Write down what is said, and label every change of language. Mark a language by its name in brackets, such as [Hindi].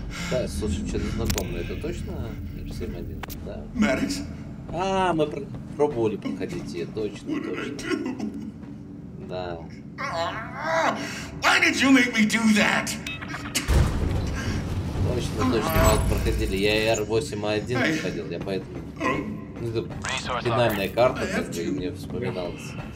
[Russian] Да, слушай, что-то знакомое. Это точно R7-1, да? Maddox. А, мы пробовали проходить ее, точно, точно. Да. [English] Why did you make me do that? [Russian] Точно, точно, мы проходили. Я и R8-1 проходил, я поэтому... Ну, это финальная карта, как бы, и мне вспоминалось.